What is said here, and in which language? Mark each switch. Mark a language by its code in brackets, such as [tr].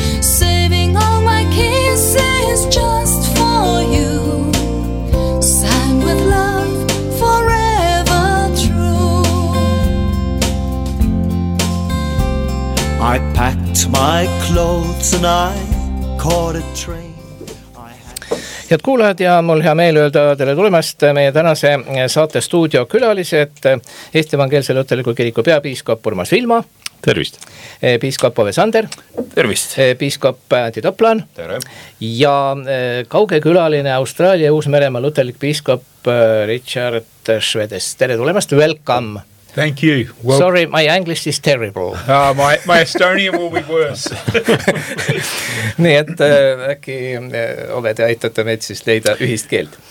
[en] Saving all my kisses just for you. Signed with love forever true. I packed my clothes and I caught a train. [et] Head kuulajad ja mul hea meel öelda teile tulemast meie tänase saate stuudio külalised. Eesti Evangeelse Luterliku Kiriku peapiiskop Urmas Viilma. Tervist. Piiskop Ove Sander. Tervist. Piiskop Antti Toplan. Tere. Ja kauge külaline Austraalia ja Uus-Meremaa luterlik piiskop Richard Schwedes. Tere tulemast. [en] Welcome. Thank you. Well, sorry, my English is terrible. My Estonian will be worse. [et] Nii et äkki ove te aitate meid siis leida ühist keelt.